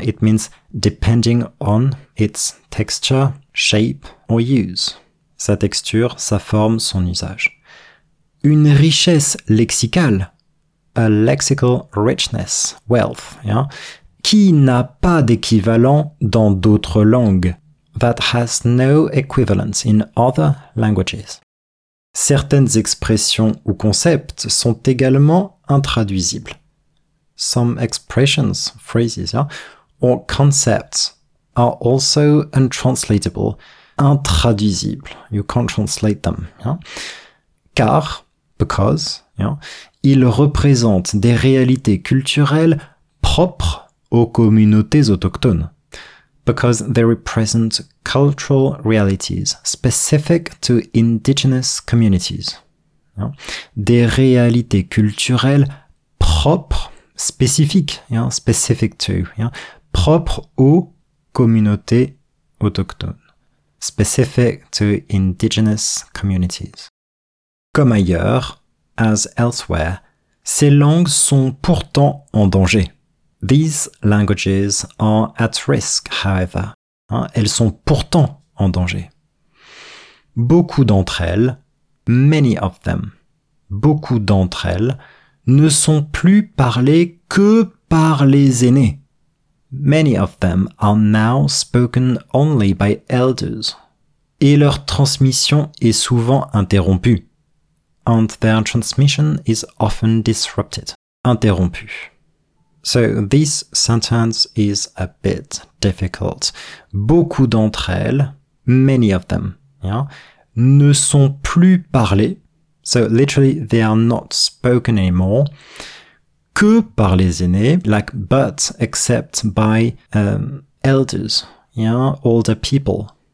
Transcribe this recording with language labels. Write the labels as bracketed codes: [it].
[en] It means depending on its texture, shape or use. [fr] Sa texture, sa forme, son usage. Une richesse lexicale. [en] A lexical richness, wealth. Yeah? [fr] Qui n'a pas d'équivalent dans d'autres langues. [en] That has no equivalent in other languages. [fr] Certaines expressions ou concepts sont également intraduisibles. [en] Some expressions, phrases, yeah, or concepts are also untranslatable, intraduisibles. You can't translate them. Yeah. [fr] Car, because, yeah, ils représentent des réalités culturelles propres aux communautés autochtones. [en] Because they represent cultural realities specific to indigenous communities. Yeah. [fr] Des réalités culturelles propres, spécifiques, yeah, [en] specific to, [fr] yeah, propres aux communautés autochtones. [en] Specific to indigenous communities. [fr] Comme ailleurs, [en] as elsewhere, [fr] ces langues sont pourtant en danger. [en] These languages are at risk, however. [fr] Hein, elles sont pourtant en danger. Beaucoup d'entre elles, [en] many of them, [fr] beaucoup d'entre elles ne sont plus parlées que par les aînés. [en] Many of them are now spoken only by elders. [fr] Et leur transmission est souvent interrompue. [en] And their transmission is often disrupted. Interrompue. So, this sentence is a bit difficult. [fr] Beaucoup d'entre elles, [en] many of them, yeah, [fr] ne sont plus parlées, [en] so literally they are not spoken anymore, [fr] que par les aînés, [en] like but except by elders, yeah, older people.